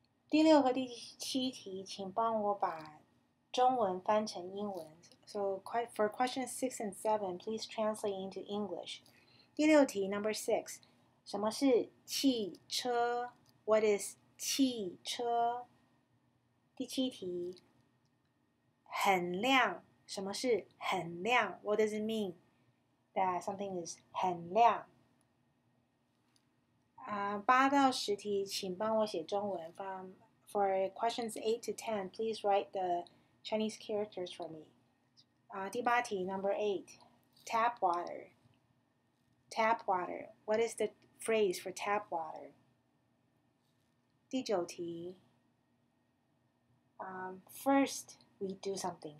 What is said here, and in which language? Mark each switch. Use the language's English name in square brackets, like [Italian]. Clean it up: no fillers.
[Chinese] 第六和第七题请帮我把中文翻成英文。 [English] So for questions 6 and 7, please translate into English. [Chinese] 第六题 [English] number 6. [Chinese] 什么是汽车 ? [English] What is [Chinese] 汽车? 第七题很亮什么是很亮 ? [English] What does it mean? That something is 很亮。 [Chinese] 八到十题请帮我写中文。 [English] For questions 8 to 10, please write the Chinese characters for me. [Chinese] 第八题 [English] number 8. Tap water. Tap water. What is the phrase for tap water? [Chinese] 第九题 [English] First, we do something.